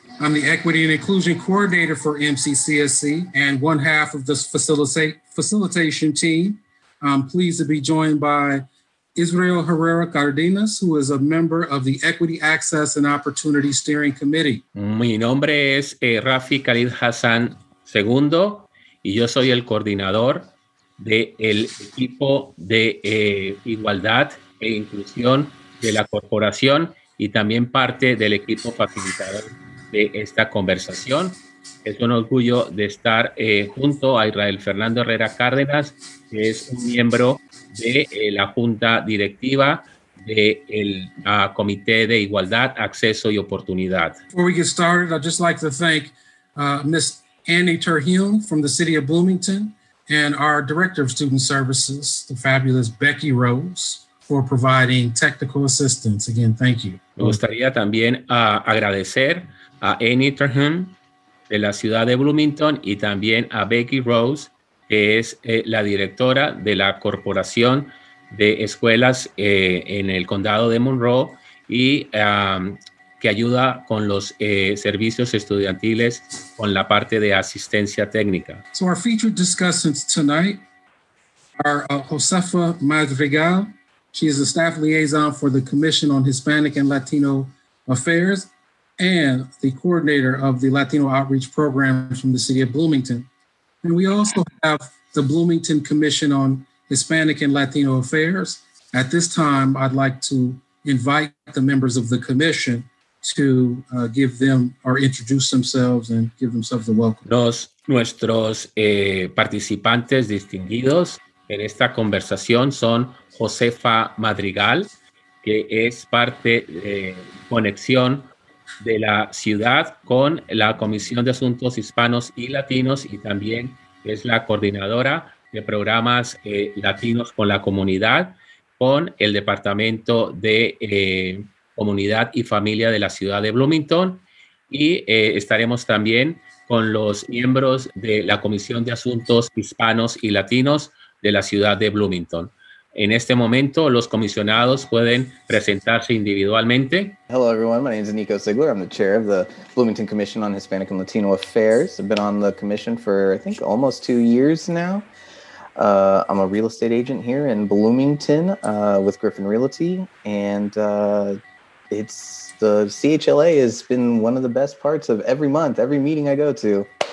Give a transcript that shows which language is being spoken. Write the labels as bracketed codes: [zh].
[en] I'm the Equity and Inclusion Coordinator for MCCSC and one half of the facilitation team. I'm pleased to be joined by Israel Herrera Cardenas, who is a member of the Equity Access and Opportunity Steering Committee. [es] Mi nombre es Rafi Khalid Hassan II y yo soy el coordinador del equipo de igualdad e inclusión de la corporación y también parte del equipo facilitador de esta conversación. Es un orgullo de estar junto a Israel Fernando Herrera Cárdenas, que es un miembro de la Junta Directiva del Comité de Igualdad, Acceso y Oportunidad. [en] Before we get started, I'd just like to thank Ms. Annie Terhune from the City of Bloomington and our Director of Student Services, the fabulous Becky Rose, for providing technical assistance. Again, thank you. [es] Me gustaría también agradecer a Annie Terhune de la ciudad de Bloomington y también a Becky Rose, que es la directora de la Corporación de Escuelas en el Condado de Monroe y que ayuda con los servicios estudiantiles con la parte de asistencia técnica. [en] So our featured discussants tonight are Josefa Madrigal. She is a staff liaison for the Commission on Hispanic and Latino Affairs and the coordinator of the Latino Outreach Program from the City of Bloomington. And we also have the Bloomington Commission on Hispanic and Latino Affairs. At this time, I'd like to invite the members of the commission to give them or introduce themselves and give themselves a welcome. [es] Nuestros participantes distinguidos en esta conversación son Josefa Madrigal, que es parte de Conexión de la ciudad con la Comisión de Asuntos Hispanos y Latinos y también es la coordinadora de programas latinos con la comunidad con el Departamento de Comunidad y Familia de la Ciudad de Bloomington y estaremos también con los miembros de la Comisión de Asuntos Hispanos y Latinos de la Ciudad de Bloomington. En este momento, los comisionados pueden presentarse individualmente. [en] Hello, everyone. My name is Nico Ziegler. I'm the chair of the Bloomington Commission on Hispanic and Latino Affairs. I've been on the commission for, I think, almost 2 years now. I'm a real estate agent here in Bloomington with Griffin Realty. And the CHLA has been one of the best parts of every month, every meeting I go to.